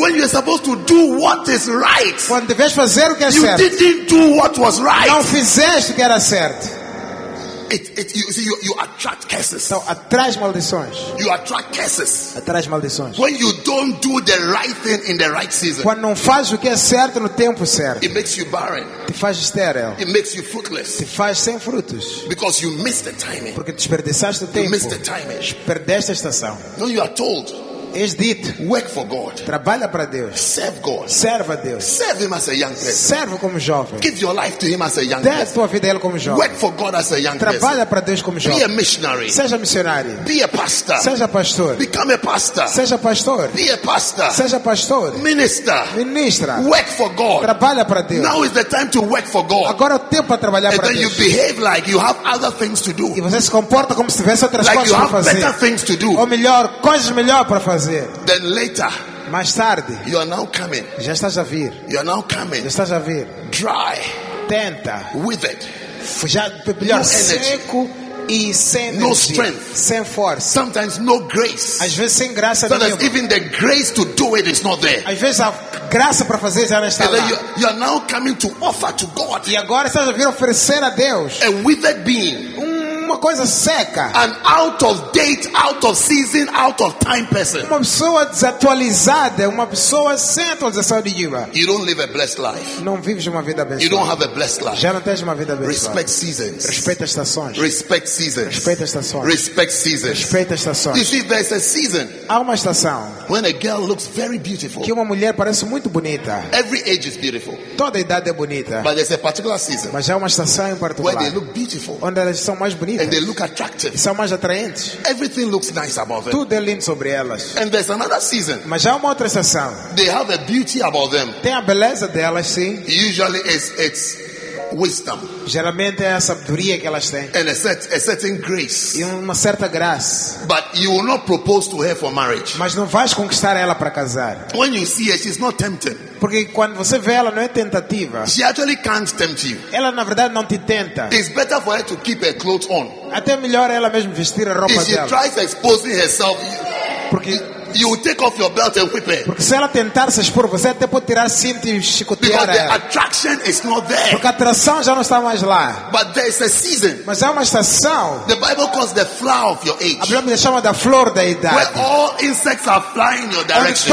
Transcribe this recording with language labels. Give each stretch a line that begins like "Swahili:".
English: when you are supposed to do what is right,
Portuguese: quando devias fazer o que é
English: you
Portuguese: certo,
English: didn't do what was right,
Portuguese: não fizeste o que era certo.
English: You attract curses.
Portuguese: Então, atrás maldições.
English: You attract curses.
Portuguese: Atrás maldições.
English: When you don't do the right thing in the right season.
Portuguese: Quando não faz o que é certo no tempo certo.
English: It makes you barren.
Portuguese: Te faz estéril.
English: It makes you fruitless.
Portuguese: Te faz sem frutos.
English: Because you missed the timing.
Portuguese: Porque desperdiçaste o tempo.
English: You missed the timing.
Portuguese: Perdeste a estação.
English: No, you are told.
Portuguese: És dito.
English: Work for God.
Portuguese: Trabalha para Deus.
English: Serve God.
Portuguese: Serve a Deus.
English: Serve Him as a young person.
Portuguese: Serve como jovem.
English: Give your life to Him as a young person.
Portuguese: Dê tua vida a Ele como jovem.
English: Work for God as a young
Portuguese: Trabalha
English: person.
Portuguese: Para Deus como jovem.
English: Be a missionary.
Portuguese: Seja missionário.
English: Be a pastor.
Portuguese: Seja pastor.
English: Become a pastor.
Portuguese: Seja pastor.
English: Be a pastor.
Portuguese: Seja pastor.
English: Minister.
Portuguese: Ministra.
English: Work for God.
Portuguese: Trabalha para Deus.
English: Now is the time to work for God.
Portuguese: Agora é o tempo para trabalhar para Deus.
English: And then you behave like you have other things to do.
Portuguese: E você se comporta como se tivesse outras
English: like
Portuguese: coisas
English: you have
Portuguese: a fazer.
English: Better things to do.
Portuguese: Ou melhor, coisas melhor para fazer.
English: Then later,
Portuguese: mais tarde,
English: you are now coming.
Portuguese: Já estás a vir.
English: You are now coming.
Portuguese: Já estás a vir.
English: Dry,
Portuguese: tenta.
English: Withered,
Portuguese: já melhor seco e sem
English: no strength,
Portuguese: sem força.
English: Sometimes no grace.
Portuguese: Às vezes sem graça.
English: Sometimes even the grace to do it is not there.
Portuguese: Às vezes a graça para fazer já não está lá.
English: You are now coming to offer to God.
Portuguese: E agora estás a vir oferecer a Deus.
English: A withered being.
Portuguese: Uma coisa seca.
English: An out of date, out of season, out of time person.
Portuguese: Uma pessoa desatualizada, uma pessoa sem atualização de vida.
English: You don't live a blessed life.
Portuguese: Não vives uma vida abençoada.
English: You don't have a blessed life.
Portuguese: Já não tens uma vida abençoada.
English: Respect seasons.
Portuguese: Respeita estações.
English: Respect seasons.
Portuguese: Respeita estações.
English: Respect seasons.
Portuguese: Respeita estações.
English: You see, there's a season.
Portuguese: Há uma estação.
English: When a girl looks very beautiful.
Portuguese: Que uma mulher parece muito bonita.
English: Every age is beautiful.
Portuguese: Toda idade é bonita.
English: But there's a particular season.
Portuguese: Mas há uma estação em particular.
English: Where they look beautiful.
Portuguese: Onde elas são mais bonitas.
English: And they look attractive.
Portuguese: São mais atraentes.
English: Everything looks nice about them.
Portuguese: Tudo é lindo sobre elas.
English: And there's another season.
Portuguese: Mas já há uma outra estação.
English: They have a beauty about them.
Portuguese: Tem a beleza delas, sim.
English: Usually it's wisdom.
Portuguese: Geralmente é a sabedoria que elas têm.
English: And a certain grace.
Portuguese: E uma certa graça.
English: But you will not propose to her for marriage.
Portuguese: Mas não vais conquistar ela para casar.
English: When you see her, she's not tempted.
Portuguese: Porque quando você vê ela, não é tentativa.
English: She actually can't tempt you.
Portuguese: Ela na verdade não te tenta.
English: It's better for her to keep her clothes on.
Portuguese: Até melhor ela mesmo vestir a roupa
English: if she
Portuguese: dela.
English: She tries exposing herself.
Portuguese: Porque
English: you will take off your belt and whip her.
Portuguese: Porque se ela tentar se expor, você até pode tirar cinto e chicotear
English: Because the attraction is not there.
Portuguese: Porque a atração já não está mais lá.
English: But there is a season.
Portuguese: Mas há uma estação.
English: The Bible calls the flower of your age.
Portuguese: A Bíblia chama da flor da idade.
English: Where all insects are flying in your direction.